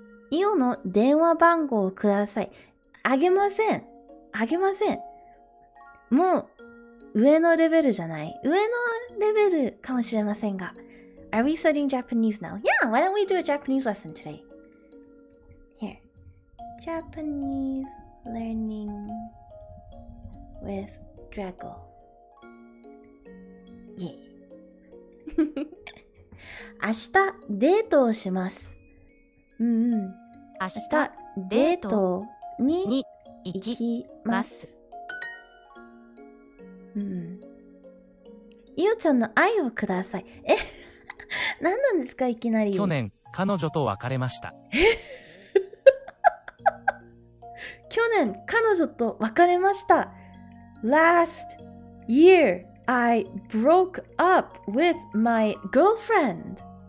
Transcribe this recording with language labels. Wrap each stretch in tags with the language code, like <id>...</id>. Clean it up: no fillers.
<ja>イオの電話番号をください。あげません。あげません。もう上のレベルじゃない。上のレベルかもしれませんが。</ja> <en>Are we studying Japanese now? Yeah, why don't we do a Japanese lesson today? Here. Japanese learning with Drago. Yeah.</en> <ja>明日デートをします。明日デートに行きます。イオちゃんの愛をください。何なんですか、いきなり。去年、彼女と別れました。去年、彼女と別れました。</ja> <en>Last year, I broke up with my girlfriend.</en>